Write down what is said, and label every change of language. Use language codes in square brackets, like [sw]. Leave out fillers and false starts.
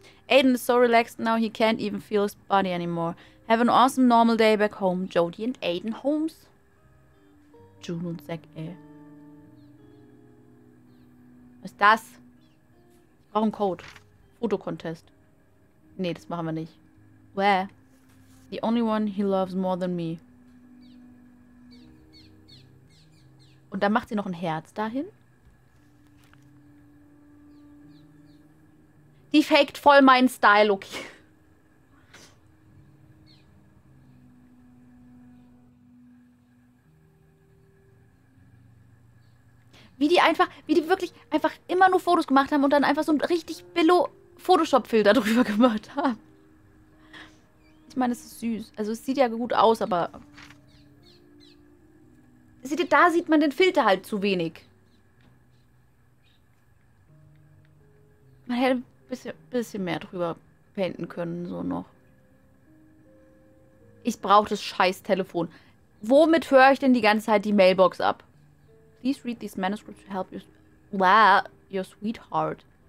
[en] Aiden is so relaxed now he can't even feel his body anymore. Have an awesome normal day back home, Jody and Aiden Holmes. [de] June und Zack, ey. Was ist das? Ich brauche einen Code. Fotocontest. Nee, das machen wir nicht. [en] Where? The only one he loves more than me. [de] Und dann macht sie noch ein Herz dahin. Die faked voll meinen Style, okay. Wie die einfach, wie die wirklich einfach immer nur Fotos gemacht haben und dann einfach so ein richtig Billo Photoshop-Filter drüber gemacht haben. Ich meine, es ist süß. Also es sieht ja gut aus, aber... Seht ihr, da sieht man den Filter halt zu wenig. Man hätte ein bisschen mehr drüber painten können, so noch. Ich brauche das scheiß Telefon. Womit höre ich denn die ganze Zeit die Mailbox ab? [en] Please read these manuscripts to help your sweetheart.